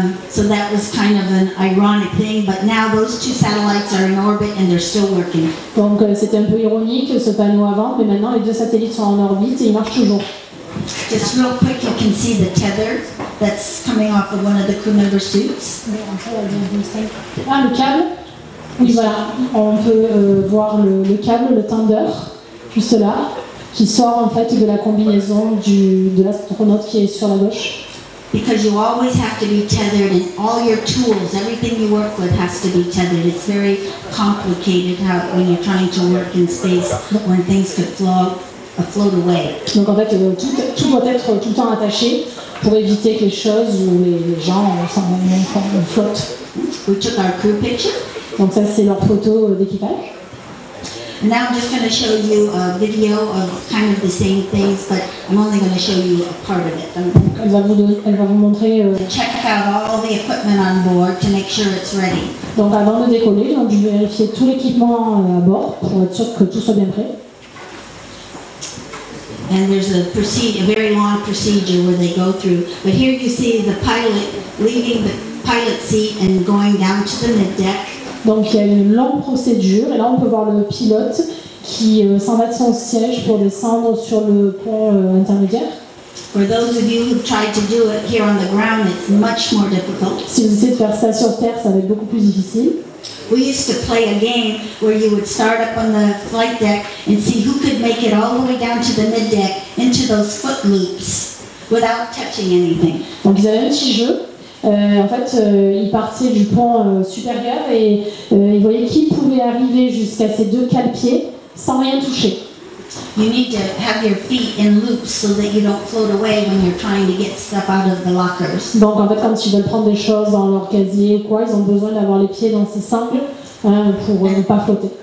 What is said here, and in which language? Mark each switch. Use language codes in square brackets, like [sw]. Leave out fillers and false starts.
[en] So that was kind of an ironic thing, but now those two satellites are in orbit and they're still working. [fr] Donc, c'était un peu ironique ce panneau avant, mais maintenant les deux satellites sont en orbite et ils marchent toujours. [en] Just real quick, you can see the tether that's coming off of one of the crew member suits. [fr] Ah, le câble. Oui, voilà. On peut voir le câble, le tender, juste là, qui sort en fait de la combinaison de l'astronaute qui est sur la gauche. [en] Because you always have to be tethered, and all your tools, everything you work with, has to be tethered. It's very complicated how when you're trying to work in space when things could float away. [fr] Donc en fait, tout doit être tout le temps attaché pour éviter que les choses ou les gens s'en flottent. [en] We took our crew picture. [fr] Donc ça, c'est leur photo d'équipage. [en] Now I'm just going to show you a video of kind of the same things, but I'm only going to show you a part of it. [fr] Elle va vous montrer. [en] Check out all the equipment on board to make sure it's ready. [fr] Donc avant de décoller, on a dû vérifier tout l'équipement à bord pour être sûr que tout soit bien prêt. [en] And there's a very long procedure where they go through. But here you see the pilot leaving the pilot seat and going down to the mid deck. [fr] Donc il y a une longue procédure, et là on peut voir le pilote qui s'en va de son siège pour descendre sur le pont intermédiaire. [en] For those of you who've tried to do it here on the ground, it's much more difficult. [fr] Si vous essayez de faire ça sur Terre, ça va être beaucoup plus difficile. [en] We used to play a game where you would start up on the flight deck and see who could make it all the way down to the mid deck into those foot loops without touching anything. [fr] Donc ils avaient un petit jeu. Ils partaient du pont supérieur et ils voyaient qui pouvait arriver jusqu'à ces deux cale-pieds sans rien toucher. [en] You need to have your feet in loops so that you don't float away when you're trying to get stuff out of the lockers. [fr] Donc en fait, quand ils veulent prendre des choses dans leur casier ou quoi, ils ont besoin d'avoir les pieds dans ces sangles hein, pour ne pas flotter.